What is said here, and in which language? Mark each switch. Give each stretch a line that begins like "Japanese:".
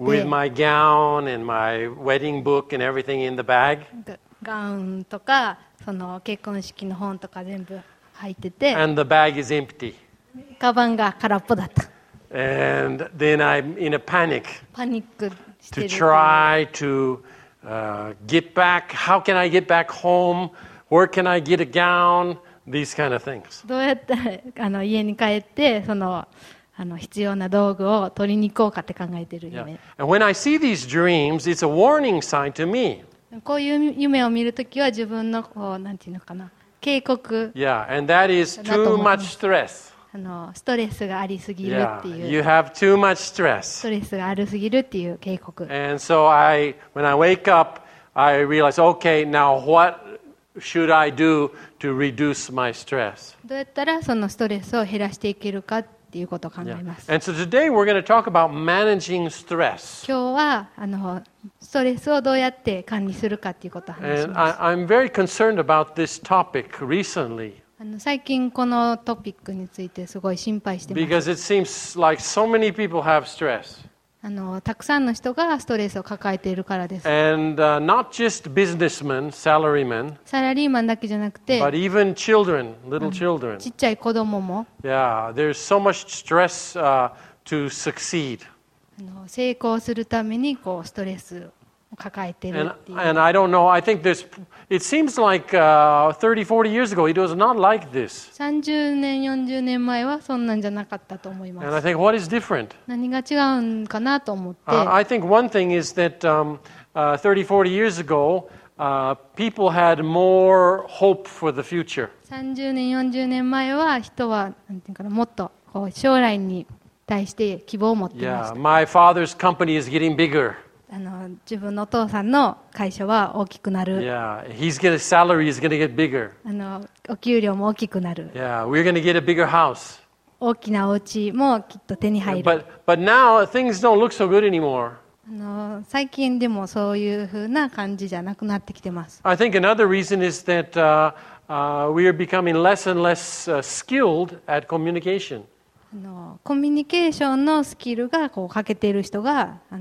English: with my gown and my wedding book and everything in the bag.
Japanese: ガウンとかその結婚式の本とか全部入ってて、
English: And the bag is empty.
Japanese: カバンが空っぽだった。
English: And then I'm in a panic.
Japanese: パニックしてる。
English: To try to get back. How can I get back home? Where can I get a gown? These kind of things.
Japanese: どうやって家に帰ってその必要な道具を取りに行こうかって考えてる夢。
English: Yeah. And when I see these dreams, it's a warning sign to me.
Japanese: こういう夢を見るときは自分のこうなんていうのかな警告だと思います。
English: Yeah, and that is too much stress.
Japanese: ストレスがありすぎるっていう。
English: Yeah, you have too much stress.
Japanese: ストレスがありすぎるっていう警告。
English: And so I, when I wake up, I realize, okay, now what should I do to reduce my stress?
Japanese: どうやったらそのストレスを減らしていけるかっていうことを考えます。
English: Yeah. And so today we're going to talk about managing stress.
Japanese: 今日はストレスをどうやって管理するかということを話します。
English: I'm very concerned about this topic recently.
Japanese: 最近このトピックについてすごい心配してます。
English: Because it seems like so many people have stress.
Japanese: たくさんの人がストレスを抱えているからです。
English: And not just businessmen, salarymen.
Japanese: サラリーマンだけじゃなくて、
English: but even children, little children.
Japanese: ちっちゃい子供も。
English: Yeah, there's so much stress to succeed.
Japanese: 成功するためにこうストレスを抱えているっていう。
English: And I don't know. I think there's. It seems like 30, 40 years ago, it was not like this.
Japanese: 30年、40年前はそんなんじゃなかったと思います。
English: And I think what is different?
Japanese: 何が違うんかなと思って。
English: I think one thing is that 30, 40 years ago, people had more hope for the future.
Japanese: 30年、40年前は人はなんていうかな、もっとこう将来に。対して希望を持っていました。
English: Yeah, my father's company is getting bigger.
Japanese: 自分のお父さんの会社は大きくなる。
English: Yeah, his salary is going to get bigger.
Japanese: お給料も大きくなる。
English: Yeah, we're going to get a bigger house.
Japanese: 大きなお家もきっと手に入る。
English: Yeah, but now things don't look so good anymore.
Japanese: 最近でもそういうふうな感じじゃなくなってきてます。
English: I think another reason is that we are becoming less and less skilled at communication.
Japanese: コミュニケーションのスキルがこう欠けている人が